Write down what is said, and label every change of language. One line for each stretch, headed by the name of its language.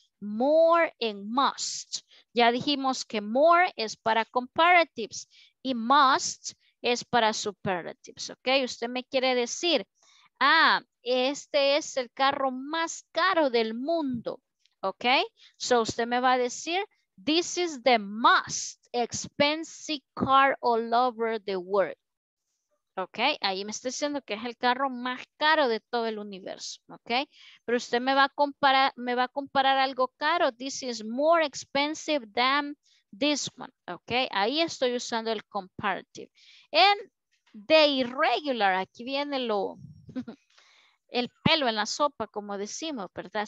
Spanish: More and must. Ya dijimos que more es para comparatives y must es para superlatives, ok. Usted me quiere decir, ah, este es el carro más caro del mundo, ok.
English: So
Spanish: usted me va a decir,
English: this is the most expensive car all over the world.
Spanish: Ok, ahí me está diciendo que es el carro más caro de todo el universo. Ok, pero usted me va a comparar algo caro.
English: This is more expensive than this one.
Spanish: Ok, ahí estoy usando el comparative. En the irregular, aquí viene lo, el pelo en la sopa, como decimos, ¿verdad?